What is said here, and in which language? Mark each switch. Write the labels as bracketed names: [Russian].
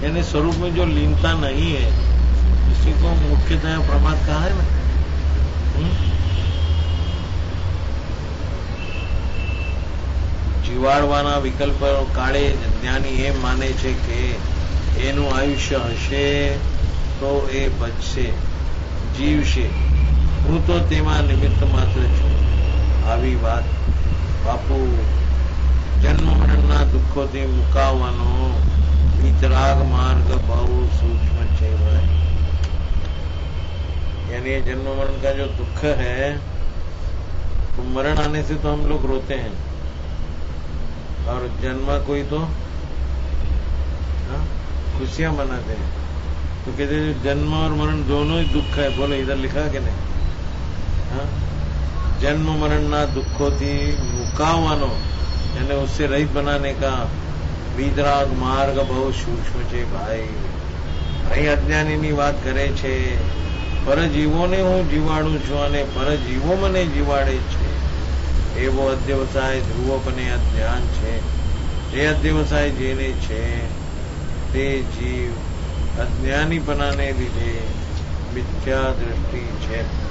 [Hindi] यानी स्वरूप में जो लीनता नहीं है उसी को मुख्यतः प्रमाद कहा है ना। [Gujarati] જીવાડવાના વિકલ્પ કાળે જ્ઞાની એમ માને છે કે એનું આયુષ્ય હશે તો એ બચશે જીવશે, હું તો તેમાં નિમિત્ત માત્ર છું, આવી વાત બાપુ જન્મ મરણના દુઃખોથી મુકાવવાનો વિતરાગ માર્ગ બહુ સૂક્ષ્મ છે ભાઈ। [Hindi] यानी जन्म मरण का जो दुख है, तो मरण आने से तो हम लोग रोते हैं और जन्म कोई तो खुशियां मनाते हैं, तो कहते हैं जन्म और मरण दोनों ही दुख है। बोले इधर लिखा कि नहीं, [Gujarati] जन्म मरण ना दुखों थी मुकावानो, [Hindi] यानी उससे रहित बनाने का विदराग मार्ग बहुत सूक्ष्म छे भाई। [Gujarati] अहीं अज्ञानीनी बात करे छे, પરજીવોને હું જીવાડું છું અને પરજીવો મને જીવાડે છે, એવો અધ્યવસાય ધ્રુવ બને આ ધ્યાન છે। જે અધ્યવસાય જેને છે તે જીવ અજ્ઞાનીપનાને લીધે મિથ્યા દ્રષ્ટિ છે।